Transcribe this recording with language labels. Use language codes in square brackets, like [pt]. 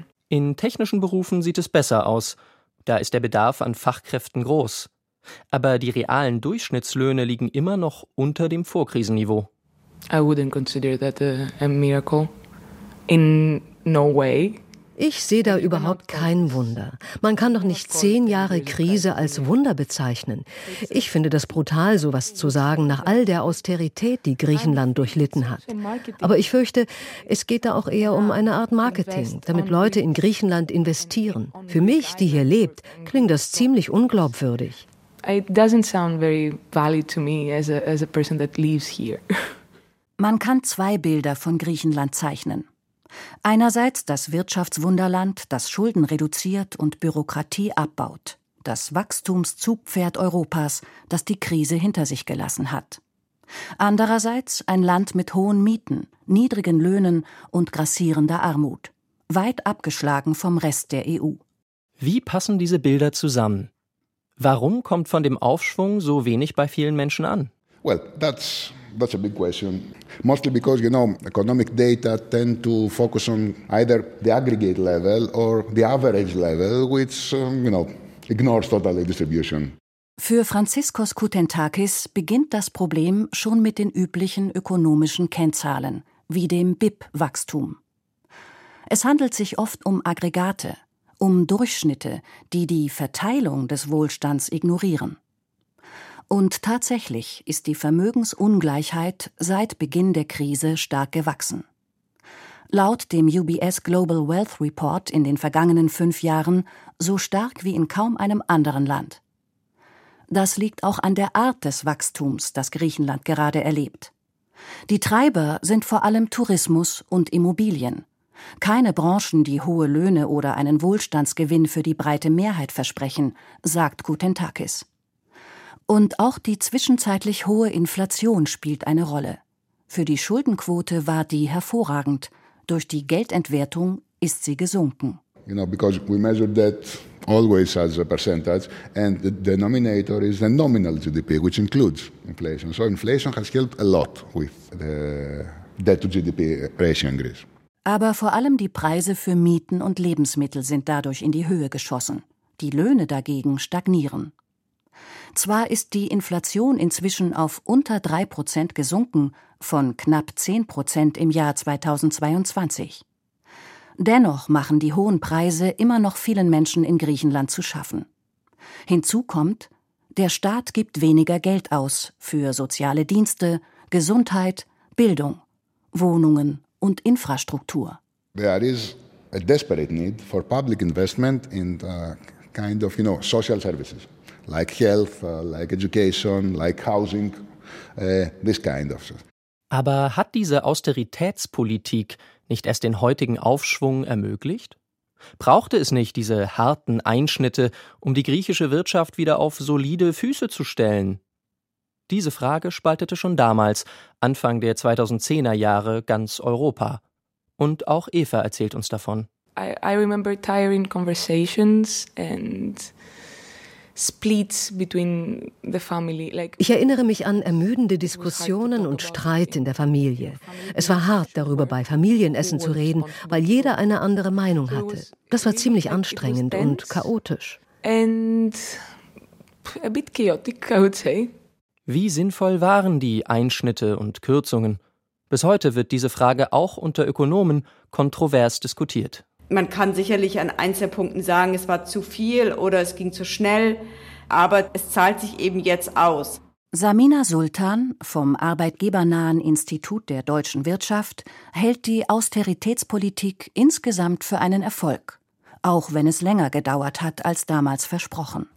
[de] In technischen Berufen sieht es besser aus. Da ist der Bedarf an Fachkräften groß. Aber die realen Durchschnittslöhne liegen immer noch unter dem Vorkrisenniveau. [en] I wouldn't consider that a miracle. In no way. [de] Ich sehe da überhaupt kein Wunder. Man kann doch nicht 10 Jahre Krise als Wunder bezeichnen. Ich finde das brutal, sowas zu sagen, nach all der Austerität, die Griechenland durchlitten hat. Aber ich fürchte, es geht da auch eher um eine Art Marketing, damit Leute in Griechenland investieren. Für mich, die hier lebt, klingt das ziemlich unglaubwürdig. [en] It doesn't sound very valid to me as a person that lives here. [de] Man kann 2 Bilder von Griechenland zeichnen. Einerseits das Wirtschaftswunderland, das Schulden reduziert und Bürokratie abbaut. Das Wachstumszugpferd Europas, das die Krise hinter sich gelassen hat. Andererseits ein Land mit hohen Mieten, niedrigen Löhnen und grassierender Armut. Weit abgeschlagen vom Rest der EU. Wie passen diese Bilder zusammen? Warum kommt von dem Aufschwung so wenig bei vielen Menschen an? [en] Well, that's That's a big question. Mostly because, you know, economic data tend to focus on either the aggregate level or the average level, which, you know, ignores totally distribution. [de] Für Franziskos Koutentakis beginnt das Problem schon mit den üblichen ökonomischen Kennzahlen, wie dem BIP-Wachstum. Es handelt sich oft um Aggregate, um Durchschnitte, die die Verteilung des Wohlstands ignorieren. Und tatsächlich ist die Vermögensungleichheit seit Beginn der Krise stark gewachsen. Laut dem UBS Global Wealth Report in den vergangenen 5 Jahren so stark wie in kaum einem anderen Land. Das liegt auch an der Art des Wachstums, das Griechenland gerade erlebt. Die Treiber sind vor allem Tourismus und Immobilien. Keine Branchen, die hohe Löhne oder einen Wohlstandsgewinn für die breite Mehrheit versprechen, sagt Koutentakis. Und auch die zwischenzeitlich hohe Inflation spielt eine Rolle. Für die Schuldenquote war die hervorragend. Durch die Geldentwertung ist sie gesunken. [en] You know, because we measure that always as a percentage, and the denominator is the nominal GDP, which includes inflation. So inflation has helped a lot with the debt-to-GDP ratio in Greece. [de] Aber vor allem die Preise für Mieten und Lebensmittel sind dadurch in die Höhe geschossen. Die Löhne dagegen stagnieren. Zwar ist die Inflation inzwischen auf unter 3% gesunken, von knapp 10% im Jahr 2022. Dennoch machen die hohen Preise immer noch vielen Menschen in Griechenland zu schaffen. Hinzu kommt, der Staat gibt weniger Geld aus für soziale Dienste, Gesundheit, Bildung, Wohnungen und Infrastruktur. [en] There is a desperate need for public investment in the kind of, you know, social services. Like health, like education, like housing, this kind of stuff. [de] Aber hat diese Austeritätspolitik nicht erst den heutigen Aufschwung ermöglicht? Brauchte es nicht diese harten Einschnitte, um die griechische Wirtschaft wieder auf solide Füße zu stellen? Diese Frage spaltete schon damals, Anfang der 2010er Jahre, ganz Europa. Und auch Eva erzählt uns davon. [en] I remember tiring conversations and splits between the family. [de] Ich erinnere mich an ermüdende Diskussionen und Streit in der Familie. Es war hart, darüber bei Familienessen zu reden, weil jeder eine andere Meinung hatte. Das war ziemlich anstrengend und chaotisch. [en] And a bit chaotic, I would say. [de] Wie sinnvoll waren die Einschnitte und Kürzungen? Bis heute wird diese Frage auch unter Ökonomen kontrovers diskutiert. Man kann sicherlich an Einzelpunkten sagen, es war zu viel oder es ging zu schnell, aber es zahlt sich eben jetzt aus. Samina Sultan vom arbeitgebernahen Institut der deutschen Wirtschaft hält die Austeritätspolitik insgesamt für einen Erfolg, auch wenn es länger gedauert hat als damals versprochen.